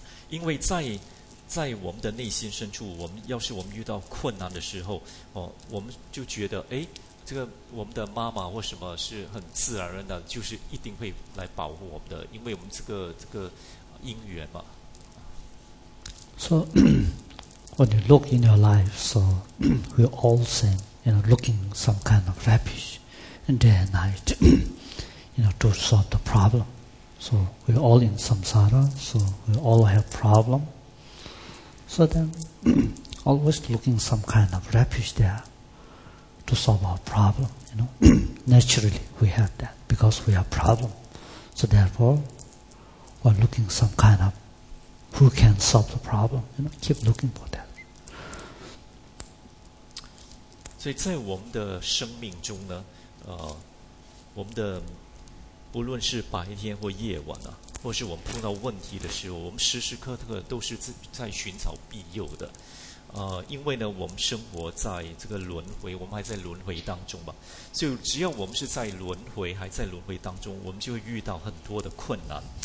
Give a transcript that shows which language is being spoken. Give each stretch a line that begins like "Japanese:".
Chinese: 因为在我们的内心深处，我们要是我们遇到困难的时候，我们就觉得这个我们的妈妈或什么是很自然而然的，就是一定会来保护我们的，因为我们这个因缘嘛。
English: So when you look in your life, so we all seem, you know, looking some kind of refuge, and day and night, you know, to solve the problem. So we all in samsara, so we all have problem. So then, always looking some kind of refuge there. To solve our problem, you know, naturally we have that because we have problem. So therefore, we're looking some kind of who can solve the problem. You know, keep looking for that.
Chinese: 所以在我们的生命中呢，我们的不论是白天或夜晚啊，或是我们碰到问题的时候，我们时时刻刻都是在寻找庇佑的。因为呢，我们生活在这个轮回，我们还在轮回当中嘛，所以只要我们是在轮回，还在轮回当中，我们就会遇到很多的困难。